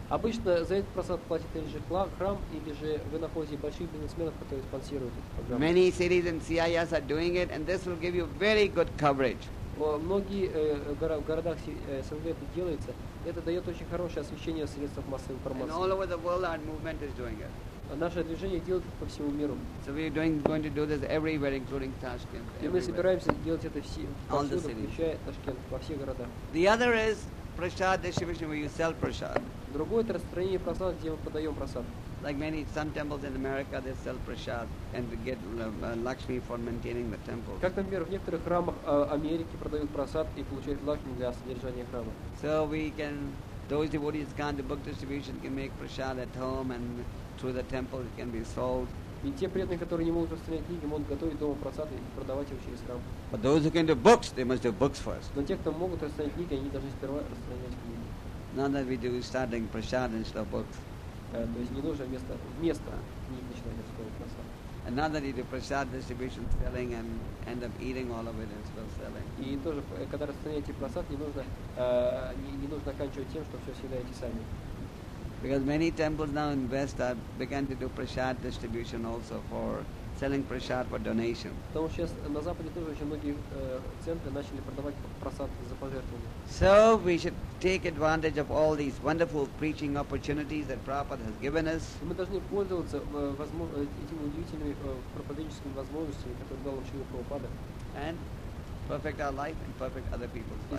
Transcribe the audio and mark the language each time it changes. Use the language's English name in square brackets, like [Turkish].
[Russian] Обычно за этот прасад платит или же храм, или же вы находите больших бизнесменов, которые спонсируют эту программу. [English] Many cities and CIS are doing it, and this will give you very good coverage. [Russian] Многие в городах СНГ это делается. Это дает очень хорошее освещение в средствах массовой информации. [English] And all over the world, our movement is doing it. [Russian] Наше движение делает это по всему миру. [English] So we are going to do this everywhere, including Tashkent. [Russian] И мы собираемся делать это все, повсюду, включая Ташкент, во все города. [English] The other is prasad distribution, where you sell prasad. [Russian] Другое — это распространение прасад, где мы подаем прасад. [English] Like many some temples in America, they sell prasad and they get Lakshmi for maintaining the temple. [Russian] Как, например, в некоторых храмах Америки продают прасад и получают Лакшми для содержания храма. [English] So we can, those devotees can do book distribution, can make prasad at home and through the temple it can be sold. [Russian] И те преданные, которые не могут распространять книги, могут готовить дома прасад и продавать его через храм. [English] But those who can do books, they must do books first. [Russian] Но те, кто могут распространять книги, они должны сперва распространять книги. [English] Now that we do starting prasad instead of books. [Russian] То есть не нужно вместо книг начинать распространять прасад. надо ли [English] прасад distribution selling and end up eating all of it and still selling. [Russian] И тоже, когда распространяете прасад, не нужно не нужно оканчивать тем, что все съедаете сами. [English] Because many temples now in West have begun to do prasad distribution also for selling prasad for donation. [Russian] Потому что сейчас на Западе тоже очень многие центры начали продавать прасад за пожертвования. [English] So we should take advantage of all these wonderful preaching opportunities that Prabhupada has given us. [Russian] Мы должны пользоваться этими удивительными пропагандистскими возможностями, которые дал Шрила Прабхупада. [English] And perfect our life and perfect other people's life.